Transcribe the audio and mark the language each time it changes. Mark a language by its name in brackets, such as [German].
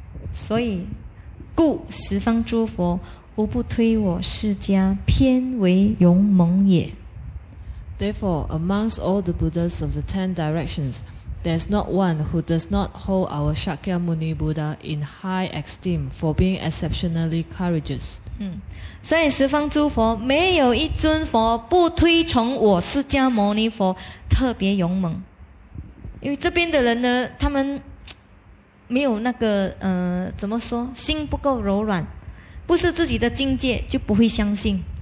[Chinese] 所以故十方诸佛无不推我释迦偏为勇猛也。 [English] Therefore, amongst all the Buddhas of the 10 directions,There's not one who does not hold our Shakyamuni Buddha in high esteem for being exceptionally courageous. [Chinese] 所以十方诸佛没有一尊佛不推崇我释迦牟尼佛特别勇猛。因为这边的人呢，他们没有那个怎么说，心不够柔软，不是自己的境界就不会相信。